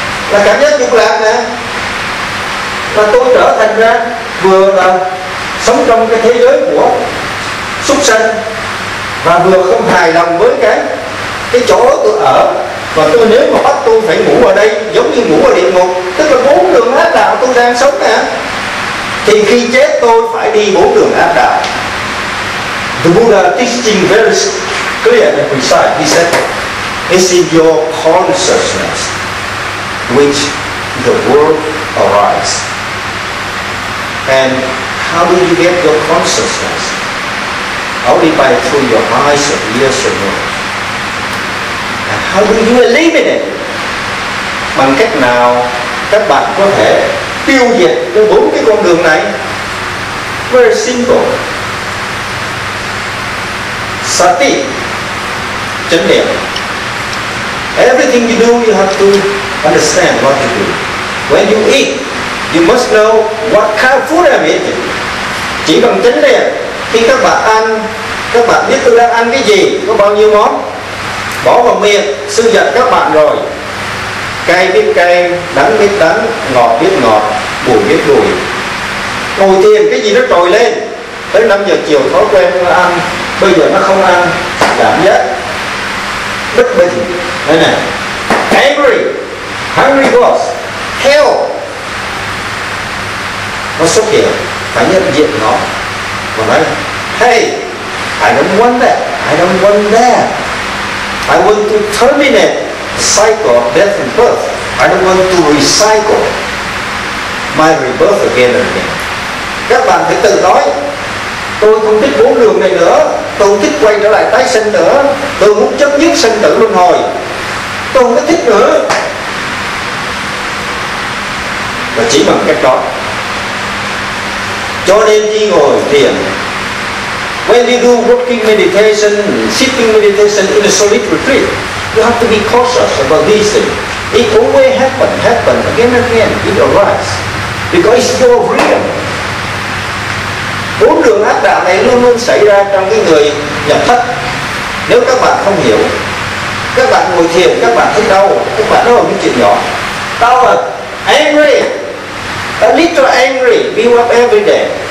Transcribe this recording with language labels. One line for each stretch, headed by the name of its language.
Vietnamese: Là cảm giác dục lạc nè. Và tôi trở thành ra vừa là sống trong cái thế giới của súc sanh, và vừa không hài lòng với cái chỗ tôi ở. Và tôi nếu mà bắt tôi phải ngủ ở đây giống như ngủ ở địa ngục, tức là bốn đường ác đạo tôi đang sống nè, thì khi chết tôi phải đi bốn đường ác đạo.
English: The Buddha teaching very clear and precise. He said, it's in your consciousness which the world arises. And how do you get your consciousness? Only by through your eyes and ears and nose. And how do you eliminate it?
Vietnamese: Bằng cách nào các bạn có thể tiêu diệt cái bốn cái con đường này?
English: Very simple.
Vietnamese: Sati, chánh niệm.
English: Everything you do, you have to understand what you do. When you eat, you must know what kind of food I'm eating.
Vietnamese: Chỉ bằng chánh niệm, khi các bạn ăn, các bạn biết tôi đang ăn cái gì, có bao nhiêu món, bỏ vào miệng, sư dẫn các bạn rồi. Cay biết cay, đắng biết đắng, ngọt biết ngọt, bùi biết bùi. Ngồi thiền cái gì nó trồi lên, tới 5 giờ chiều thói quen nó ăn, bây giờ nó không ăn, cảm giác bất bình. Đây này,
English: angry, hungry boss, hell,
Vietnamese: nó xuất hiện, phải nhận diện nó. Còn nói,
English: hey, I don't want that, I don't want that. I want to terminate the cycle of death and birth. I don't want to recycle my rebirth again and again.
Vietnamese: Các bạn phải tự nói, tôi không thích bốn đường này nữa, tôi không thích quay trở lại tái sinh nữa, tôi muốn chấm dứt sinh tử luân hồi, tôi không thích nữa. Và chỉ bằng cách đó, cho nên đi ngồi thiền.
English: When you do walking meditation, sitting meditation in a solid retreat, you have to be cautious about these things. It always happen again and again, it arises. Because it's your realm.
Vietnamese: Bốn đường ác đạo này luôn luôn xảy ra trong cái người nhập thất. Nếu các bạn không hiểu, các bạn ngồi thiền, các bạn thấy đau, các bạn nói những chuyện nhỏ. Đau là
English: angry, a little angry, build up every day.